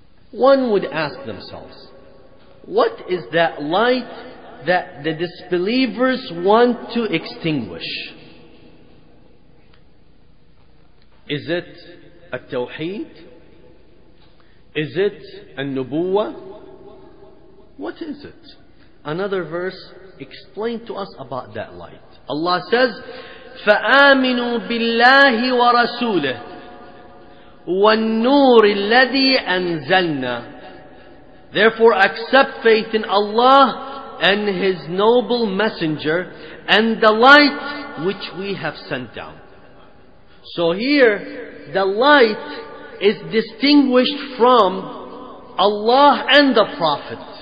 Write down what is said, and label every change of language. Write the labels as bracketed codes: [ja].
[en] One would ask themselves, what is that light that the disbelievers want to extinguish? Is it a tawheed? Is it a nubuwa? What is it? Another verse explained to us about that light. Allah says, [ar] فَآمِنُوا بِاللَّهِ وَرَسُولِهِ وَالنُّورِ الَّذِي أَنزَلْنَا. [en] Therefore accept faith in Allah and His noble messenger and the light which we have sent down. So here, the light is distinguished from Allah and the Prophet.